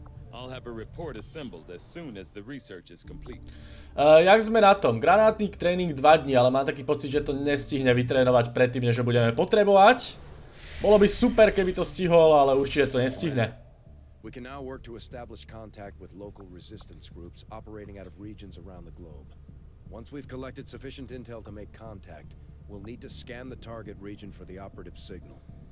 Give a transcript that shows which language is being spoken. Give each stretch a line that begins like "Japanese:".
English: I'll have a report assembled as soon as the research is complete.
Slovak: Jak sme na tom? Granátnik tréning 2 dní, ale mám taký pocit, že to nestihne vytrénovať predtým, než ho budeme potrebovať. Bolo by super, keby to stihol, ale určite to nestihne.
English: We can now work to establish contact with local resistance groups operating out of regions around the globe. Once we've collected sufficient intel to make contact, we'll need to scan the target region for the operative signal.